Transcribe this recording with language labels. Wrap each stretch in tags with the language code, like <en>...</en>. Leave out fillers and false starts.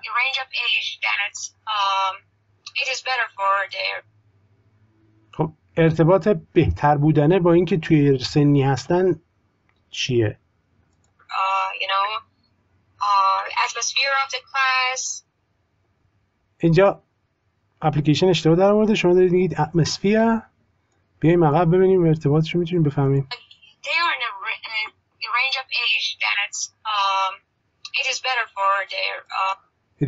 <en>range of age that it is better for their</en> <fa>خب ارتباط بهتر بودنه با اینکه توی سنی هستن چیه؟</fa> <en>you know atmosphere of the class.</en> <fa>اینجا اپلیکیشن اشتباه در آورده، شما دارید میگید اتمسفیر. بیایم عقب ببینیم ارتباطش رو میتونیم بفهمیم.</fa> <en>They are in a range of age that it's it is better for their</en>